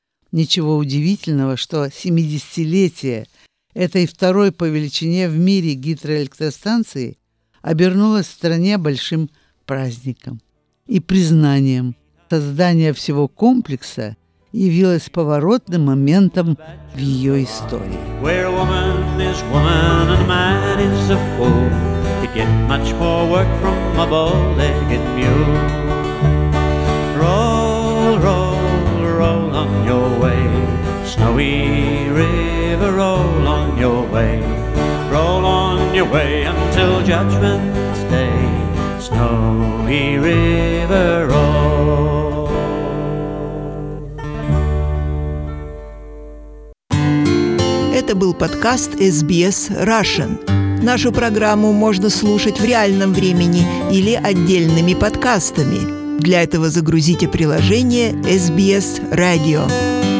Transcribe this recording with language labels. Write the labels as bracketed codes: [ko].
[ru] Ничего удивительного, что 70-летие этой второй по величине в мире гидроэлектростанции обернулось в стране большим праздником и признанием. Создание всего комплекса явилось поворотным моментом в ее истории. [en] Where a woman is woman and a man is a fool, you get much more work from a bow-legged mule. Roll, roll, roll on your way, snowy river, roll on your way. Roll on your way until judgment day, snowy river, roll. [ru] Это был подкаст SBS Russian. Нашу программу можно слушать в реальном времени или отдельными подкастами. Для этого загрузите приложение SBS Radio.